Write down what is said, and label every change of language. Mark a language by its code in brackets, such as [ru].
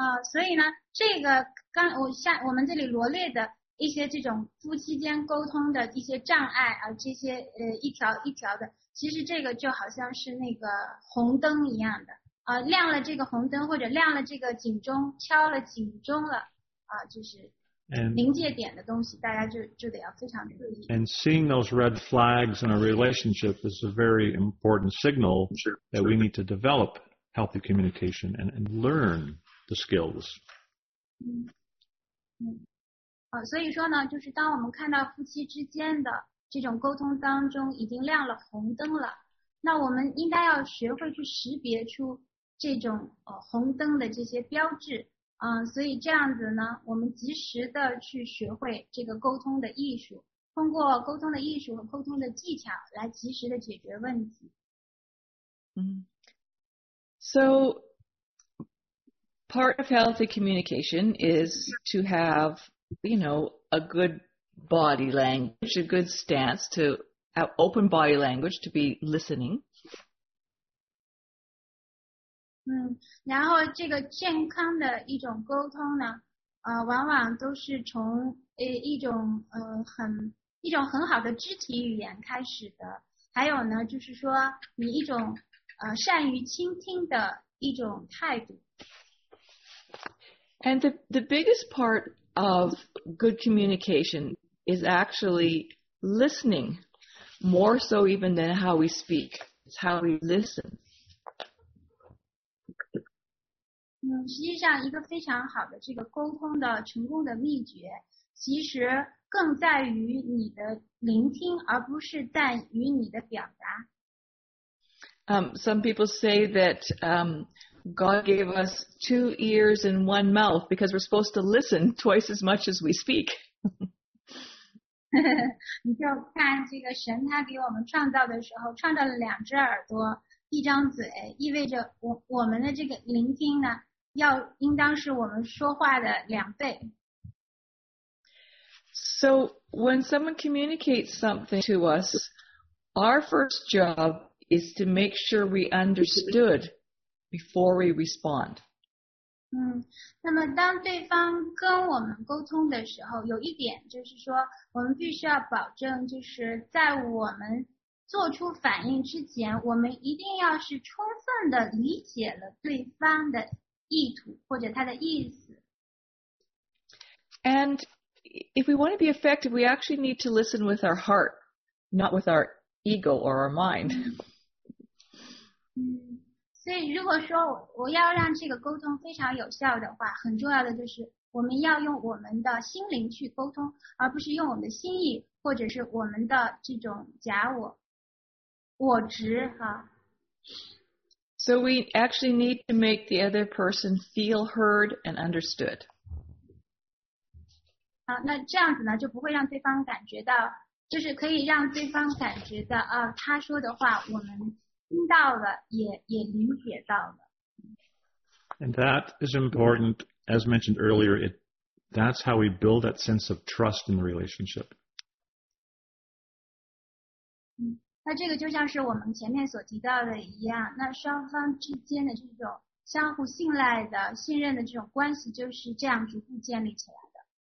[zh] 所以呢，这个刚我像我们这里罗列的一些这种夫妻间沟通的一些障碍啊，这些一条一条的，其实这个就好像是那个红灯一样的啊、亮了这个红灯或者亮了这个警钟，敲了警钟了啊、就是临界点的东西，大家就得要非常注意。 [en] And seeing those red flags in a relationship is a very important signal that we need to develop healthy communication and learn the skills. [zh] 所以说呢，就是当我们看到夫妻之间的这种沟通当中已经亮了红灯了，那我们应该要学会去识别出这种红灯的这些标志。所以这样子呢，我们及时的去学会这个沟通的艺术，通过沟通的艺术和沟通的技巧来及时的解决问题。 [en] So, part of healthy communication is to have, you know, a good body language, a good stance, to have open body language, to be listening. [zh] 然后这个健康的一种沟通呢，往往都是从一种很好的肢体语言开始的。还有呢，就是说你一种善于倾听的一种态度。 [en] And the biggest part of good communication is actually listening, more so even than how we speak. It's how we listen. [zh] 实际上一个非常好的这个沟通的成功的秘诀，其实更在于你的聆听，而不是在于你的表达。 [en] Some people say that God gave us two ears and one mouth because we're supposed to listen twice as much as we speak. [zh] 你就看这个神他给我们创造的时候，创造了两只耳朵，一张嘴，意味着我们的这个聆听呢要应当是我们说话的两倍。 [en] So when someone communicates something to us, our first job is to make sure we understood before we respond. [zh] 那么当对方跟我们沟通的时候，有一点就是说，我们必须要保证，就是在我们做出反应之前，我们一定要是充分的理解了对方的意图或者他的意思。 [en] And if we want to be effective, we actually need to listen with our heart, not with our ego or our mind. [zh] 所以如果说我要让这个沟通非常有效的话，很重要的就是我们要用我们的心灵去沟通，而不是用我们的心意或者是我们的这种假我、我执哈。 [en] So we actually need to make the other person feel heard and understood. [zh] 那这样子呢，就不会让对方感觉到，就是可以让对方感觉到啊，他说的话我们听到了，也理解到了。 [en] And that is important, as mentioned earlier. That's how we build that sense of trust in the relationship. [zh] 那这个就像是我们前面所提到的一样，那双方之间的这种相互信赖的、信任的这种关系就是这样逐步建立起来的。